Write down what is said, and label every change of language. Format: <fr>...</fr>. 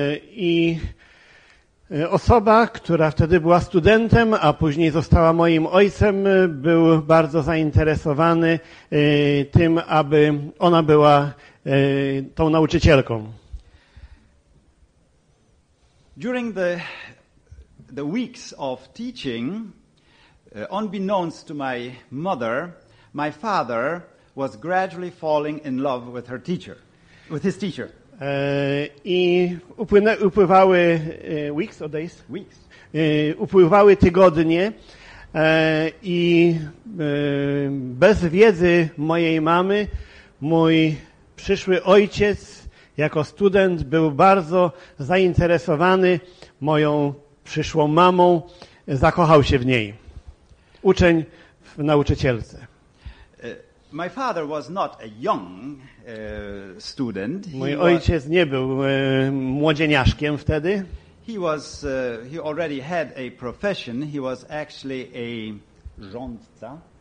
<pl>I osoba, która wtedy była studentem, a później została moim ojcem, był bardzo zainteresowany tym, aby ona była tą nauczycielką.</pl> <en>During the weeks of teaching, unbeknownst to my mother, my father was gradually falling in love with her teacher, with his teacher.</en> <pl>I upływały</pl> <en>weeks or days? Weeks.</en> <pl>Upływały tygodnie i bez wiedzy mojej mamy mój przyszły ojciec jako student był bardzo zainteresowany moją przyszłą mamą, zakochał się w niej. Uczeń w nauczycielce.</pl> <en>My father was not a young student.</en> <pl>Mój ojciec nie był młodzieniaszkiem wtedy.</pl> <en>He was he already had a profession. He was actually a rządca.</en>